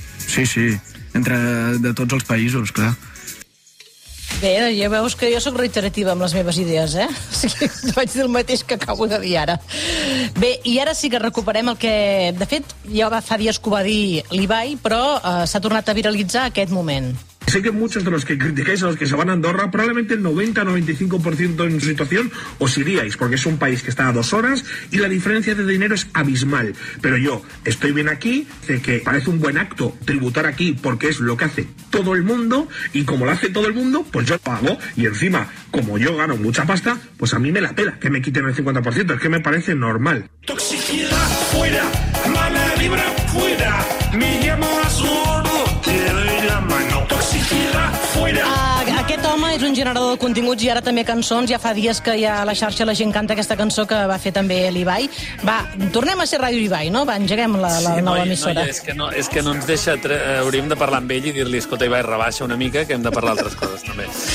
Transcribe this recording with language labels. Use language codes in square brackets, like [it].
[ca] Sí, sí, entre de tots els països, clar. Bé, ja veus que jo sóc reiterativa amb les meves idees, eh? O sigui, vaig dir el mateix que acabo de dir ara. Bé, i ara sí que recuperem el que... De fet, ja fa dies que ho va dir l'Ibai, però s'ha tornat a viralitzar aquest moment. [es] sé que muchos de los que criticáis a los que se van a Andorra, probablemente el 90-95% en su situación os iríais, porque es un país que está a 2 horas y la diferencia de dinero es abismal. Pero yo estoy bien aquí, sé que parece un buen acto tributar aquí porque es lo que hace todo el mundo, y como lo hace todo el mundo, pues yo pago, y encima, como yo gano mucha pasta, pues a mí me la pela que me quiten el 50%, es que me parece normal. Toxicidad fuera, mala vibra fuera, me llamo a su oro, te doy la mano. Toxicidad fuera. [ca] Aquest home és un generador de continguts i ara també cançons. Ja fa dies que hi ha a la xarxa, la gent canta aquesta cançó que va fer també l'Ibai. Va, tornem a ser Ràdio Ibai, no? Va, engeguem la sí, nova emissora. No, és que no ens deixa... hauríem de parlar amb ell i dir-li, escolta, Ibai, rebaixa una mica, que hem de parlar altres coses, també.